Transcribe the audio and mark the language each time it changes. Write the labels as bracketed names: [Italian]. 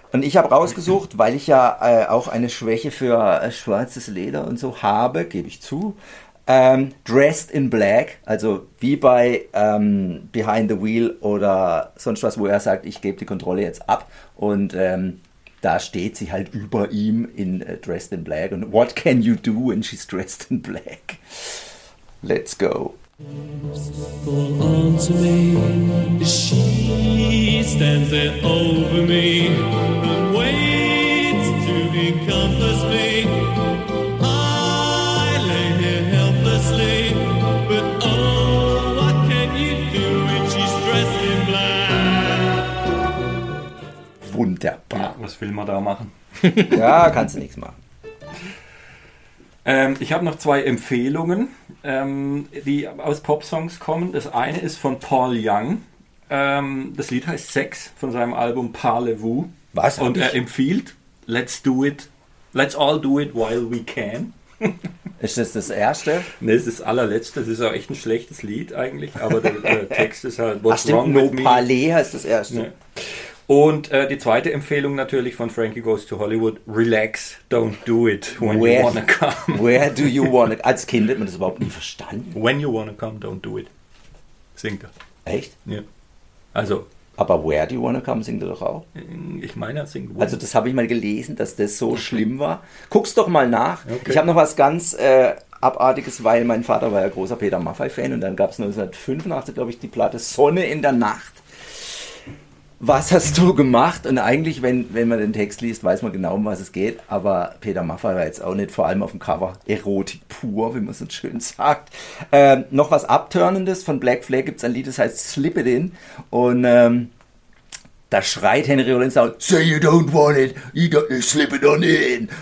[German] Und ich habe rausgesucht, weil ich ja auch eine Schwäche für schwarzes Leder und so habe, gebe ich zu, Dressed in Black, also wie bei Behind the Wheel oder sonst was, wo er sagt, ich gebe die Kontrolle jetzt ab. Und da steht sie halt über ihm in Dressed in Black. [English] Und what can you do when she's dressed in black? Let's go. Fall onto me, she stands there over me and waits to encompass me. I lay here helplessly, but oh, what can you do when she's dressed in black? [German] Wunderbar. Was will man da machen? Ja, kannst du nichts machen. Ich habe noch zwei Empfehlungen, die aus Popsongs kommen. Das eine ist von Paul Young. Das Lied heißt Sex von seinem Album Parlez-vous. Was? Und er empfiehlt [English] Let's do it, let's all do it while we can. [German] Ist das das erste? Ne, ist das allerletzte. Das ist auch echt ein schlechtes Lied eigentlich, aber der Text ist halt [English] What's wrong with me? [German] No Palais heißt das erste. Ne. Und die zweite Empfehlung natürlich von Frankie Goes to Hollywood. [English] Relax, don't do it when you wanna come. Where do you wanna come? [German] Als Kind hat man das überhaupt nie verstanden. [English] When you wanna come, don't do it. [German] Singt er. Echt? Ja. Also. Aber [English] where do you wanna come [German] singt er doch auch? Ich meine, er singt. Also das habe ich mal gelesen, dass das so schlimm war. Guck's doch mal nach. Okay. Ich habe noch was ganz Abartiges, weil mein Vater war ja großer Peter Maffay-Fan und dann gab es 1985, glaube ich, die Platte Sonne in der Nacht. Was hast du gemacht? Und eigentlich, wenn man den Text liest, weiß man genau, um was es geht. Aber Peter Maffay war jetzt auch nicht vor allem auf dem Cover. Erotik pur, wie man es so schön sagt. Noch was Abtörnendes von Black Flag gibt es ein Lied, das heißt Slip It In. Und da schreit Henry Rollins auch, [English] say you don't want it, you got to slip it on in.